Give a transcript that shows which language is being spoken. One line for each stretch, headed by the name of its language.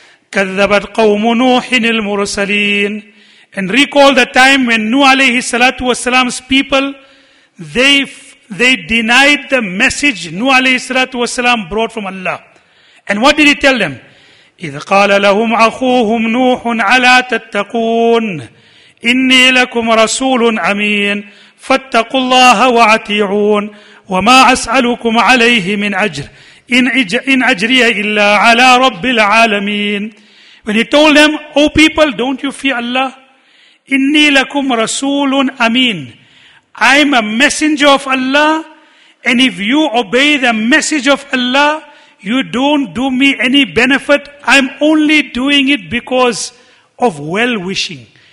Arabic: كَذَّبَتْ قَوْمُ نُوحٍ الْمُرْسَلِينَ.
English: And recall the time when Nuh alayhi salatu wasalam's people, they denied the message Nuh alayhi salatu wasalam brought from Allah. And what did he tell them?
Arabic: إِذْ قَالَ لَهُمْ أَخُوهُمْ نُوحٌ عَلَى تَتَّقُونَ. إني لكم رسول أمين فاتقوا الله وأطيعون وما أسألكم عليه من أجر إن أجري إلا على رب العالمين.
English: When he told them, O people, don't you fear Allah?
Arabic: إني لكم رسول أمين.
English: I am a messenger of Allah, and if you obey the message of Allah, you don't do me any benefit. I'm only doing it because of well-wishing.